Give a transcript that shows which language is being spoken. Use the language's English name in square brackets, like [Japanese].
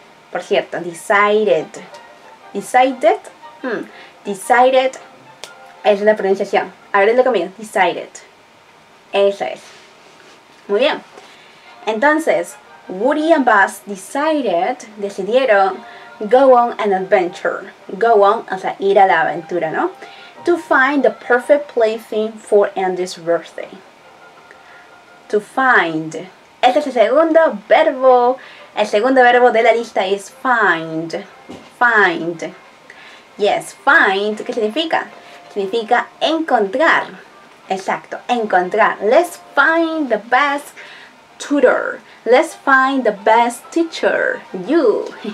[Spanish] Por cierto, decided. Decided. Decided. Es la pronunciación. A ver, dilo conmigo. Decided. Eso es. Muy bien. [English] Entonces, Woody and Buzz decidieron go on an adventure. [Spanish] Go on, o sea, ir a la aventura, ¿no? [English] To find the perfect plaything for Andy's birthday. To find. [Spanish] Este es el segundo verbo. El segundo verbo de la lista es find. [English] Find. Yes, find. [Spanish] ¿Qué significa? Significa encontrar. Exacto, encontrar. [English] Let's find the best tutor. Let's find the best teacher. You.